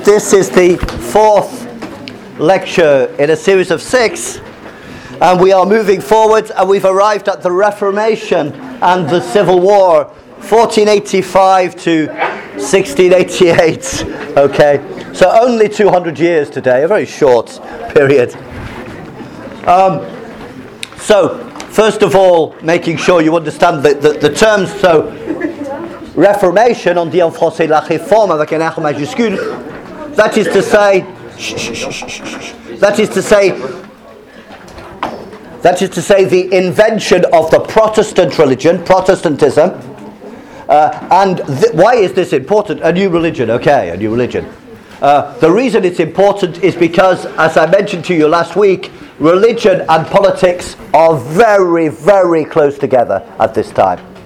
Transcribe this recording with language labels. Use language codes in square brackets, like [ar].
[en] This is the fourth lecture in a series of six, and we are moving forward, and we've arrived at the Reformation and the Civil War, 1485 to 1688. Okay, so only 200 years today, a very short period. So, first of all, making sure you understand the terms. [fr] So, Reformation, on dit en français la réforme avec un R majuscule. [en] That is to say, the invention of the Protestant religion, Protestantism. Why is this important? A new religion. The reason it's important is because, as I mentioned to you last week, religion and politics are very, very close together at this time.